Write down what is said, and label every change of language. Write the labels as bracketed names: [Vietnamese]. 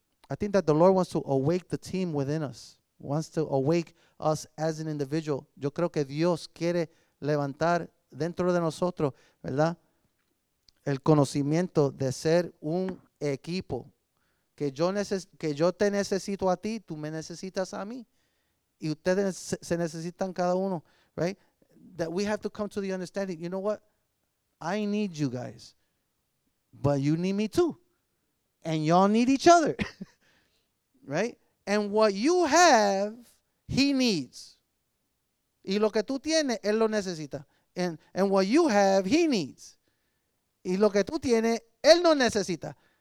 [English] I think that the Lord wants to awake the team within us, wants to awake us as an individual. [Spanish] Yo creo que Dios quiere levantar dentro de nosotros, ¿verdad? El conocimiento de ser un equipo. Que yo te necesito a ti, tú me necesitas a mí. Y ustedes se necesitan cada uno, right? [English] That we have to come to the understanding, you know what? I need you guys, but you need me too. And y'all need each other, right? And what you have, he needs. [Spanish] Y lo que tú tienes, él lo necesita. [English] And what you have, he needs. [Spanish] Y lo que tú tienes, él no necesita.